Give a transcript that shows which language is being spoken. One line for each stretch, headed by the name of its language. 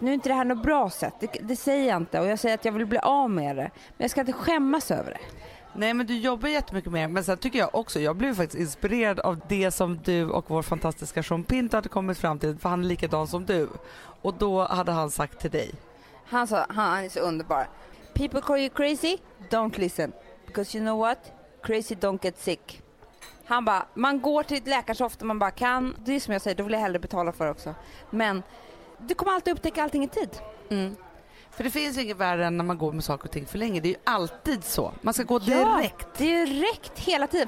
Swedish: Nu är inte det här något bra sätt, det säger jag inte. Och jag säger att jag vill bli av med det. Men jag ska inte skämmas över det. Nej, men du jobbar jättemycket med det. Men sen tycker jag också, jag blev faktiskt inspirerad av det som du och vår fantastiska Sean Pinto hade kommit fram till. För han är likadan som du. Och då hade han sagt till dig. Han sa, han är så underbar.
English: People call you crazy, don't listen. Because you know what? Crazy don't get sick.
Swedish: Han bara, man går till ett läkare så ofta man bara kan. Det är som jag säger, då vill jag hellre betala för också. Men du kommer alltid upptäcka allting i tid. Mm. För det finns inget värre än när man går med saker och ting för länge. Det är ju alltid så. Man ska gå direkt. Ja, direkt hela tiden.